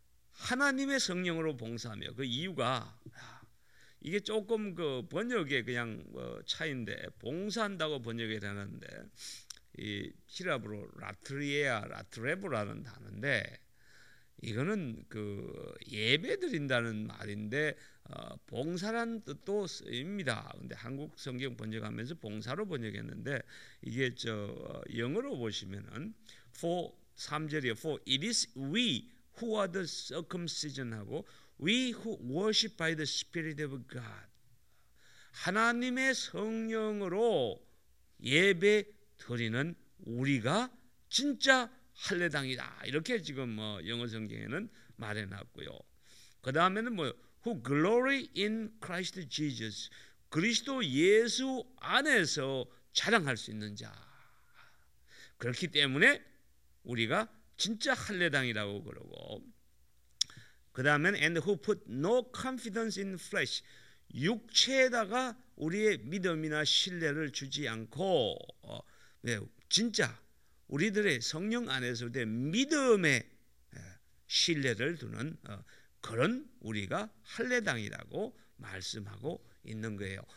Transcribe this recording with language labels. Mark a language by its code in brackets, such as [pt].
[ko] 하나님의 성령으로 봉사하며, 그 이유가 이게 조금 그 번역에 그냥 차이인데, 봉사한다고 번역이 되는데 이 히랍으로 라트리에아 라트레브라는 단어인데 이거는 그 예배드린다는 말인데 봉사란 뜻도 쓰입니다. 근데 한국 성경 번역하면서 봉사로 번역했는데 이게 저 영어로 보시면은 for 3절이요. [en] For it is we who are the circumcision [ko] 하고 [en] we who worship by the spirit of God. [ko] 하나님의 성령으로 예배 드리는 우리가 진짜 할례당이다. 이렇게 지금 뭐 영어 성경에는 말해 놨고요. 그다음에는 뭐 [en] who glory in Christ Jesus. [ko] 그리스도 예수 안에서 자랑할 수 있는 자. 그렇기 때문에 우리가 진짜 할례당이라고 그러고, 그다음엔 [en] and who put no confidence in flesh. [ko] 육체에다가 우리의 믿음이나 신뢰를 주지 않고 네, 진짜 우리들의 성령 안에서 된 믿음에 신뢰를 두는 그런 우리가 할례당이라고 말씀하고 있는 거예요.